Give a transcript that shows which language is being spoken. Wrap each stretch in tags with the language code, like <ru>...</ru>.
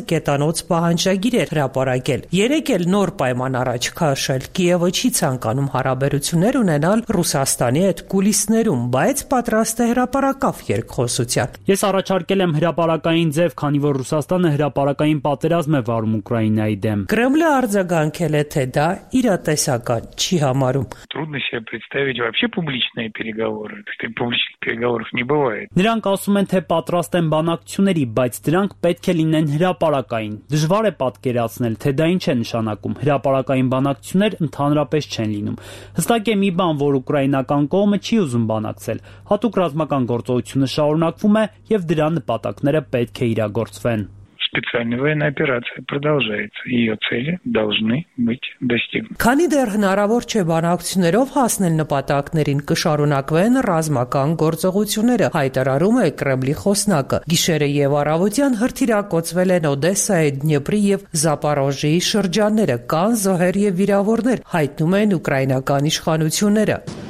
<hy>կետանոց պահանջագիր էր հրապարակել։ 3 էլ նոր պայման առաջ քաշել։ Կիևը չի ցանկանում հարաբերություններ ունենալ Ռուսաստանի հետ կուլիսներում, բայց պատրաստ է հրապարակավ երկխոսության։ Ես առաջարկել եմ հրապարակային ձև, քանի որ Ռուսաստանը հրապարակային պատերազմ է վարում Ուկրաինայի դեմ։ Կրեմլը արձագանքել է, թե դա իրատեսական чьи хамару.</hy> <ru>Трудно себе представить вообще публичные переговоры. Публичных переговоров не бывает.</ru> <hy>Նրանք ասում են, թե պատրաստ են բանակցությունների, բայց դրանք պետք է լինեն հրապարակային։ Դժվար է պատկերացնել, թե դա ինչ է նշանակում։ Հրապարակային բանակցություններ ընդհանրապես չեն լինում։ Հստակ է մի բան, որ ուկրաինական կողմը չի ուզում բանակցել։ Հատուկ ռազմական գործողությունը շարունակվում է եւ դրա նպատակները պետք է իրագործվեն։</hy> <ru>Специальная военная операция продолжается. Ее цели должны быть достигнуты.</ru> <hy>Քանի դեռ հնարավոր չէ բանակցություններով հասնել նպատակներին, կշարունակվեն ռազմական գործողությունները, հայտարարում է Կրեմլի խոսնակը։ Գիշերը եւ առավոտյան հրթիրակոծվել են Օդեսայի, Դնեպրի եւ Զապարոժիի շրջանները, կան զոհեր եւ վիրավորներ, հայտնում են ուկրաինական իշխանությունները։</hy>